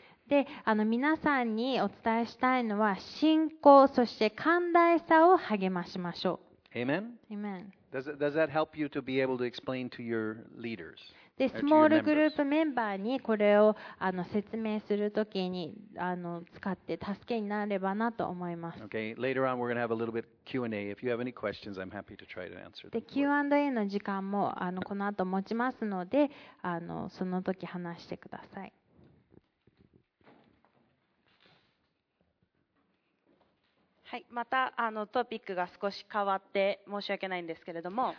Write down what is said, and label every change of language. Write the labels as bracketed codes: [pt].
[ja] で、皆さんにお伝えしたいのは信仰そして寛大さを励ましましょう。 [en] Amen. Amen. Does that help you to be able to explain to your leaders? [ja] で、スモールグループメンバーにこれを説明するときに使って助けになればなと思います。 [en] Okay. Later on, we're going to have a little bit Q&A. If you have any questions, I'm happy to try to answer them. [ja] Q&A の時間もこの後持ちますので、その時話してください。はい、またトピックが少し変わって申し訳ないんですけれども、